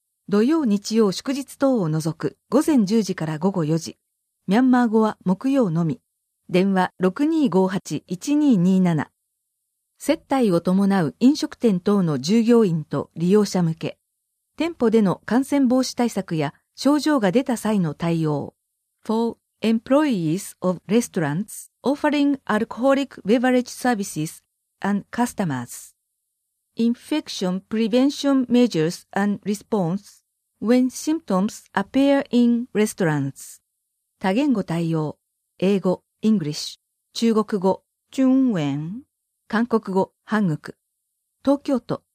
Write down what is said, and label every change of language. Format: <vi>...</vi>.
<ja>土曜日曜祝日等を除く午前10時から午後4時。ミャンマー語は木曜のみ。電話 6258-1227。接待を伴う飲食店等の従業員と利用者向け、店舗での感染防止対策や症状が出た際の対応。</ja> <en>For employees of restaurants offering alcoholic beverage services and customers. Infection prevention measures and response when symptoms appear in restaurants.</en> <ja>多言語対応、英語、English、中国語、中文、韓国語、韓国。東京都、</ja>